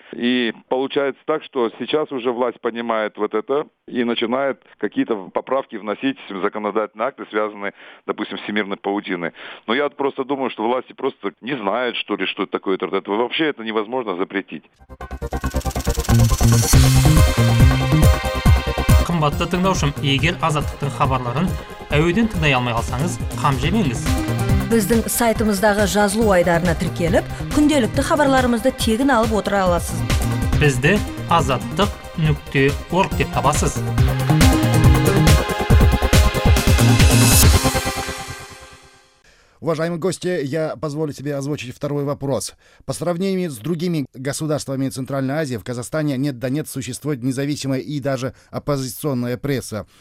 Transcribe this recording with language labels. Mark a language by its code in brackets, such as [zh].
[ru] И получается так, что сейчас уже власть понимает вот это и начинает какие-то поправки вносить в законодательные акты, связанные, допустим, с всемирной паутиной. Но я просто думаю, что власти просто не знают, что ли, что это такое интернет. Вообще это невозможно запретить. [kk] Қымбатты тыңдаушым, егер Азаттықтың хабарларын әуеден тыңдай алмай қалсаңыз, қам жемеңіз. Біздің сайтымыздағы жазылу айдарына тіркеліп, күнделікті хабарларымызды тегін алып отыра аласыз. Бізді azattik.org деп табасыз. [ru] Уважаемые гости, я позволю себе озвучить второй вопрос. По сравнению с другими государствами Центральной Азии, в Казахстане нет да нет существует независимая и даже оппозиционная пресса.